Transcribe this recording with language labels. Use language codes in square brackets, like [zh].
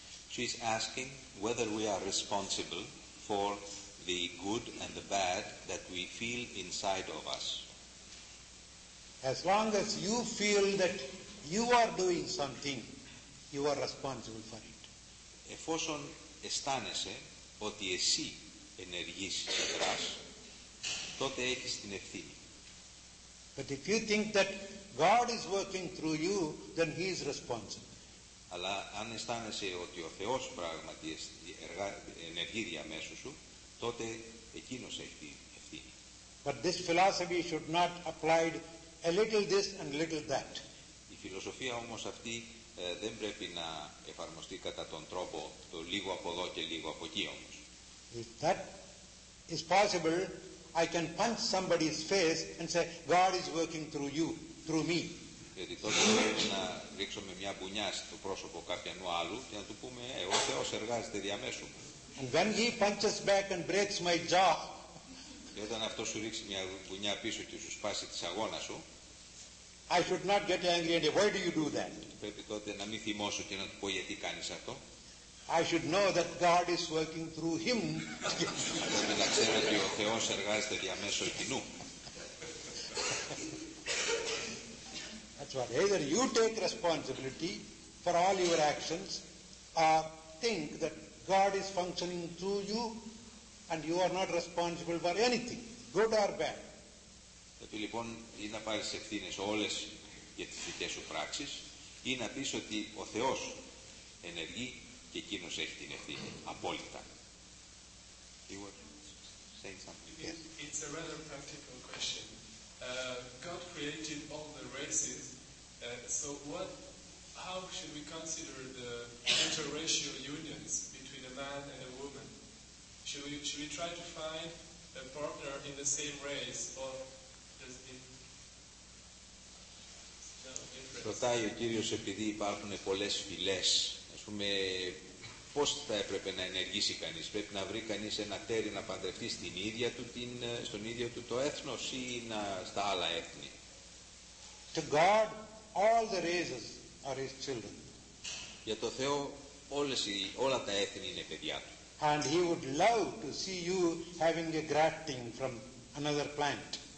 [en] She's asking whether we are responsible for the good and the bad that we feel inside of us. As long as you feel that you are doing something, you are responsible for it. [el] Εφόσον αισθάνεσαι ότι εσύ ενεργείς και δράς, τότε έχεις την ευθύνη. [en] But if you think that God is working through you, then He is responsible. [el] Αλλά αν αισθάνεσαι ότι ο Θεός πράγματι ενεργεί διαμέσου σου, τότε εκείνος έχει την ευθύνη. [en] But this philosophy should not apply a little this and a little that. [el] Η φιλοσοφία όμως αυτή δεν πρέπει να εφαρμοστεί κατά τον τρόπο το λίγο από εδώ και λίγο από εκεί όμως. [en] If that is possible, I can punch somebody's face and say, God is working through you, through me. [el] Γιατί τότε πρέπει να ρίξουμε μια μπουνιά στο πρόσωπο κάποιου άλλου και να του πούμε, ο Θεός εργάζεται διαμέσου μου. [en] And when he punches back and breaks my jaw. [el] Και όταν αυτό σου ρίξει μια μπουνιά πίσω και σου σπάσει τη σαγόνα σου, [en] I should not get angry and say, why do you do that? [el] Πρέπει τότε να μην θυμώσω και να του πω γιατί κάνεις αυτό. [en] I should know that God is working through him. [el] Πρέπει να ξέρω ότι ο Θεός εργάζεται διαμέσου εκείνου. [en] But either you take responsibility for all your actions or think that God is functioning through you and you are not responsible for anything, good or bad. [el] Πρέπει λοιπόν ή να πάρεις ευθύνες όλες για τις δικές σου πράξεις ή να πεις ότι ο Θεός ενεργεί και εκείνος έχει την ευθύνη απόλυτα. [en] You were saying something. It's a rather practical question. God created all the races. So what? How should we consider the interracial unions between a man and a woman? Should we try to find a partner in the same race or just in? [el] Ρωτάει ο κύριος επειδή υπάρχουν πολλές φυλές, ας πούμε, πώς θα έπρεπε να ενεργήσει κανείς? Πρέπει να βρει κανείς ένα τέρι να παντρευτεί στην ίδια του στον ίδιο του το έθνος ή στα άλλα έθνη? [en] To God. All the races are his children. [el] Για το Θεό όλα τα έθνη είναι παιδιά του. [en] And he would love to see you having a grafting from another plant.